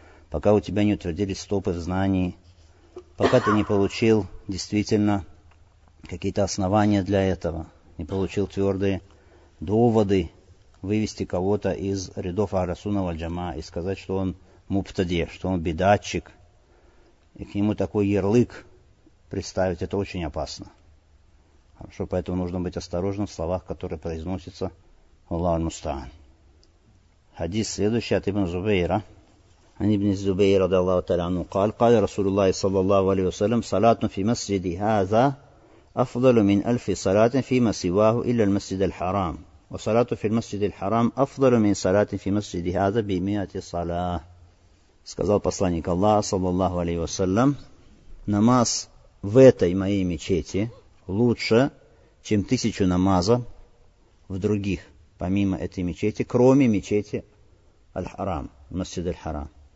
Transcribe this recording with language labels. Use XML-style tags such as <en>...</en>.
<ru>Пока у тебя не утвердились стопы в знании, пока ты не получил действительно какие-то основания для этого, не получил твердые доводы вывести кого-то из рядов Ахлиссунна вальджамаа и сказать, что он мубтади, что он бидатчик, и к нему такой ярлык представить, это очень опасно. Хорошо, поэтому нужно быть осторожным в словах, которые произносятся Аллах аль-Мустаан. Хадис следующий от Ибн Зубейра.</ru> <ar>عن ابن الزبير رضي الله تعالى عنه قال قال رسول الله صلى الله عليه وسلم صلاة في مسجد هذا أفضل من ألف صلاة فيما سواه إلا المسجد الحرام وصلاة في المسجد الحرام أفضل من صلاة في مسجد هذا بمئة صلاة.</ar> <ru>Сказал посланник Аллаха</ru> <ar>صلى الله عليه وسلم,</ar> <ru>намаз в этой моей мечети лучше, чем тысячу намазов в других, помимо этой мечети, кроме мечети Аль-Харам, Масджид Аль-Харам.</ru>